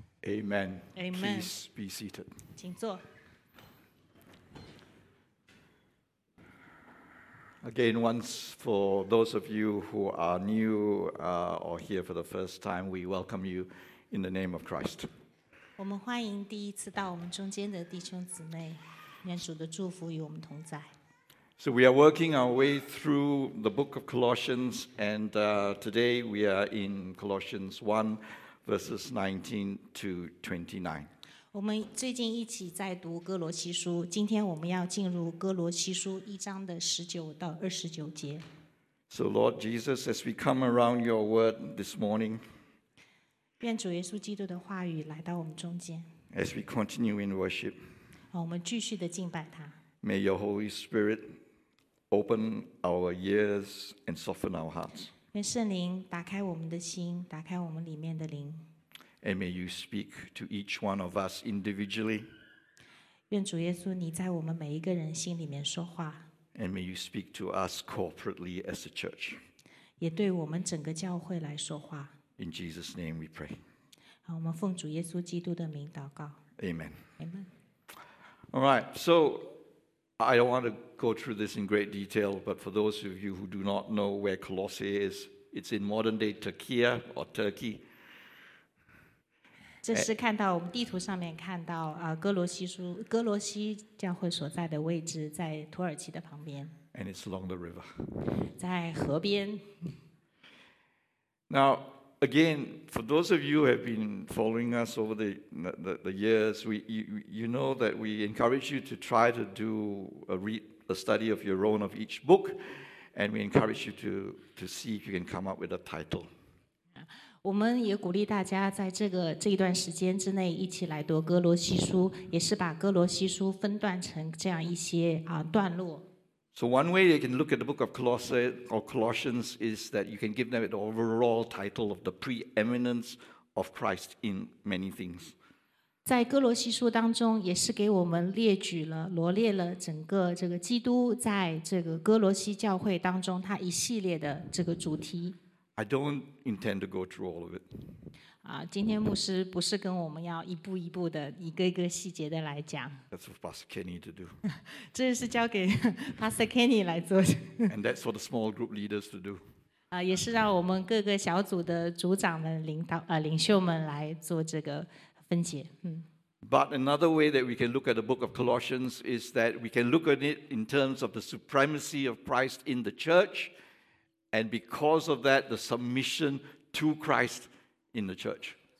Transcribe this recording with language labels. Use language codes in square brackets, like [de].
[en] Amen. Amen. Please be seated. [zh] 请坐。 [en] Again, once for those of you who are new or here for the first time, we welcome you in the name of Christ. [zh] 我们欢迎第一次到我们中间的弟兄姊妹，愿主的祝福与我们同在。 [en] So we are working our way through the book of Colossians, and today we are in Colossians 1. Verses 19 to 29. [zh] 我们最近一起在读哥罗西书，今天我们要进入哥罗西书一章的19到29节。 [en] So Lord Jesus, as we come around Your Word this morning, [zh] 愿主耶稣基督的话语来到我们中间。 [en] As we continue in worship, [zh] 我们继续的敬拜他。 [en] May Your Holy Spirit open our ears and soften our hearts. [zh] 愿圣灵打开我们的心，打开我们里面的灵。 [en] And may you speak to each one of us individually. [zh] 愿主耶稣你在我们每一个人心里面说话。 [en] And may you speak to us corporately as a church. [zh] 也对我们整个教会来说话。 [en] In Jesus' name we pray. [zh] 好，我们奉主耶稣基督的名祷告。 [en] Amen. Amen. All right, so I don't want to go through this in great detail, but for those of you who do not know where Colossae is, it's in modern-day Turkey or Turkey. [zh] 这是看到我们地图上面看到哥罗西书哥罗西教会所在的位置在土耳其的旁边。 [en] And it's along the river. [zh] 在河边。 [en] Now, again, for those of you who have been following us over the years, you know that we encourage you to try to do a study of your own of each book, and we encourage you to see if you can come up with a title. [zh] 我们也鼓励大家在这一段时间之内一起来读哥罗西书，也是把哥罗西书分段成这样一些段落。 [en] So one way you can look at the book of Colossians is that you can give them an overall title of the preeminence of Christ in many things. [zh] 在哥罗西书当中也是给我们列举了罗列了整个这个基督在这个哥罗西教会当中他一系列的这个主题。 [en] I don't intend to go through all of it. [zh] 今天牧师不是跟我们要一步一步的一个一个细节的来讲。 [en] That's for Pastor Kenny to do. [zh] 这是交给 Pastor Kenny 来做。 [en] And that's for the small group leaders to do. [zh] 也是让我们各个小组的组长们、领袖们来做这个分解。 [en] But another way that we can look at the book of Colossians is that we can look at it in terms of the supremacy of Christ in the church, and because of that, the submission to Christ in the church.